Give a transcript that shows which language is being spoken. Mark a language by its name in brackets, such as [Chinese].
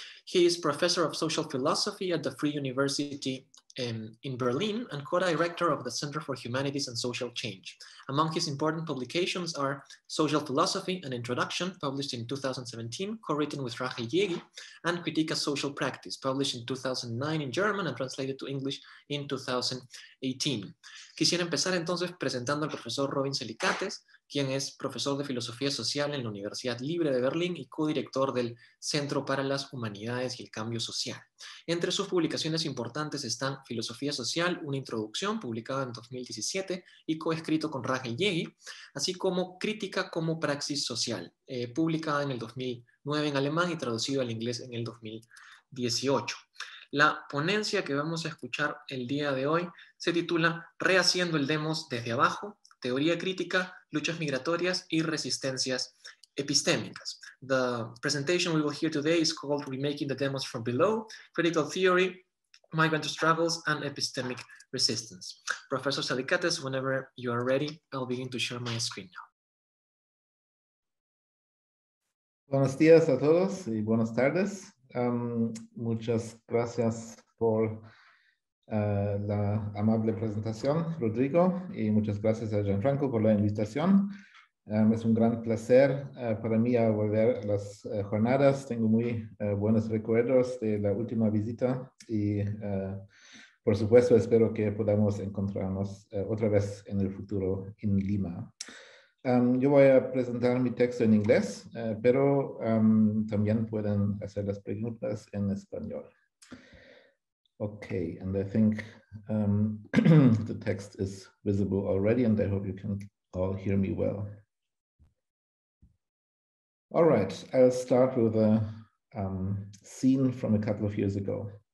[English] He is professor of social philosophy at the Free University in Berlin and co-director of the Center for Humanities and Social Change. Among his important publications are Social Philosophy, an Introduction, published in 2017, co-written with Rachel Yegi, and Critique of Social Practice, published in 2009 in German and translated to English in 2018. [Spanish] Quisiera empezar entonces presentando al profesor Robin Celikates, quien es profesor de filosofía social en la Universidad Libre de Berlín y codirector del Centro para las Humanidades y el Cambio Social. Entre sus publicaciones importantes están Filosofía Social, una introducción, publicada en 2017 y coescrito con Rachel Yegi, así como Crítica como Praxis Social, publicada en el 2009 en alemán y traducido al inglés en el 2018. La ponencia que vamos a escuchar el día de hoy se titula Rehaciendo el Demos desde Abajo, Teoría Crítica, Luchas Migratorias y Resistencias Epistémicas. [English] The presentation we will hear today is called Remaking the Demos from Below, Critical Theory, Migrant Struggles and Epistemic Resistance. Professor Celikates, whenever you are ready, I'll begin to share my screen now. [Spanish] Buenos días a todos y buenas tardes. Muchas gracias por la amable presentación, Rodrigo, y muchas gracias a Gianfranco por la invitación. Es un gran placer para mí a volver a las jornadas. Tengo muy buenos recuerdos de la última visita y, por supuesto, espero que podamos encontrarnos otra vez en el futuro en Lima. Yo voy a presentar mi texto en inglés, pero también pueden hacer las preguntas en español. [English] Okay, and I think the text is visible already, and I hope you can all hear me well. All right, I'll start with a scene from a couple of years ago.